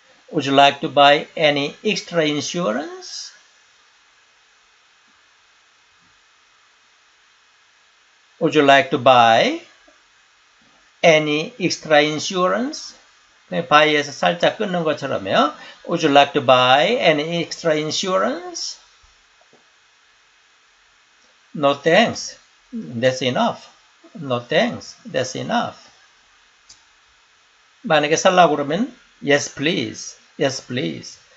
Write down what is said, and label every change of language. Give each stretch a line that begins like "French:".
English: Would you like to buy any extra insurance? Would you like to buy any extra insurance?
Korean: 바이에서 살짝 끊는 것처럼요.
English: Would you like to buy any extra insurance? No thanks. That's enough. No thanks. That's enough.
Korean: 만약에 살라고 그러면
English: yes please. Yes, please.